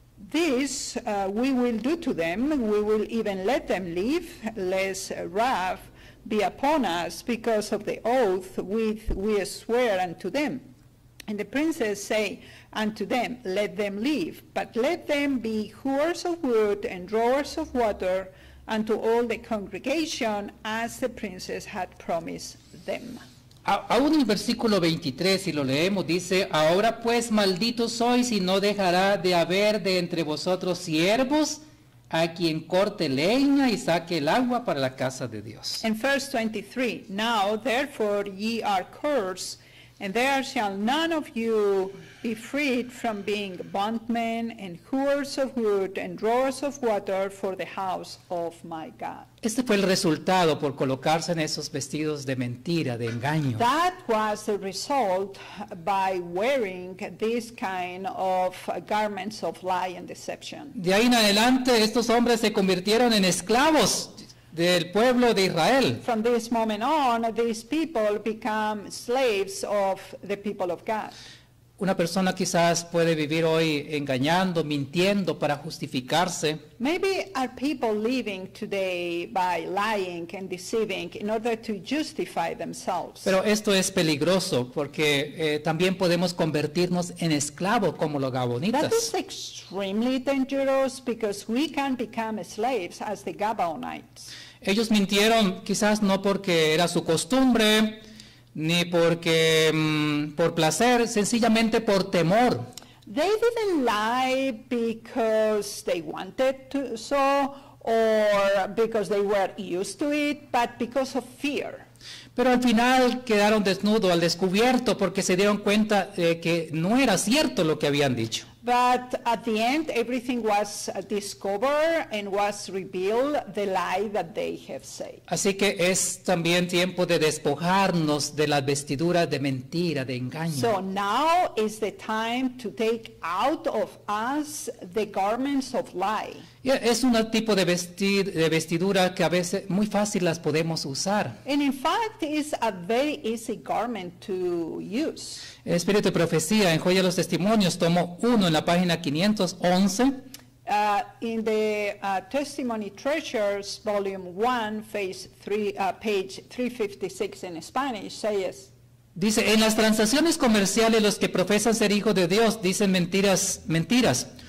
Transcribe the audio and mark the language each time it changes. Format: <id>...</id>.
<en>This we will do to them, we will even let them live, lest wrath be upon us because of the oath which we swear unto them. And the princes say unto them, let them live, but let them be hewers of wood and drawers of water unto all the congregation as the princes had promised them.</en> <es>Aún en el versículo 23, si lo leemos, dice, ahora pues malditos sois y no dejará de haber de entre vosotros siervos a quien corte leña y saque el agua para la casa de Dios.</es> <en>In verse 23, now therefore ye are cursed, And there shall none of you be freed from being bondmen and hewers of wood and drawers of water for the house of my God.</en> <es>Este fue el resultado por colocarse en esos vestidos de mentira, de engaño.</es> <en>That was the result by wearing this kind of garments of lie and deception.</en> <es>De ahí en adelante, estos hombres se convirtieron en esclavos del pueblo de Israel.</es> <en>From this moment on, these people become slaves of the people of God.</en> <es>Una persona quizás puede vivir hoy engañando, mintiendo para justificarse.</es> <en>Maybe are people living today by lying and deceiving in order to justify themselves.</en> <es>Pero esto es peligroso porque también podemos convertirnos en esclavos como los gabonitas.</es> <en>That is extremely dangerous because we can become slaves as the Gabonites.</en> <es>Ellos mintieron quizás no porque era su costumbre, ni porque por placer, sencillamente por temor.</es> <en>They didn't lie because they wanted to so, or because they were used to it, but because of fear.</en> <es>Pero al final quedaron desnudos al descubierto porque se dieron cuenta de que no era cierto lo que habían dicho.</es> <en>But at the end, everything was discovered and was revealed, the lie that they have said.</en> <es>Así que es también tiempo de despojarnos de las vestiduras de mentira, de engaño.</es> <en>So now is the time to take out of us the garments of lie.</en> <es>Yeah, es un tipo de vestidura que a veces muy fácil las podemos usar.</es> <en>And in fact, it's a very easy garment to use.</en> <es>El Espíritu de Profecía en Joya de los Testimonios, tomo 1 en la página 511.</es> <en>In the Testimony Treasures, volume 1, page 356 in Spanish, says.</en> <es>Dice, en las transacciones comerciales los que profesan ser hijos de Dios dicen mentiras.</es>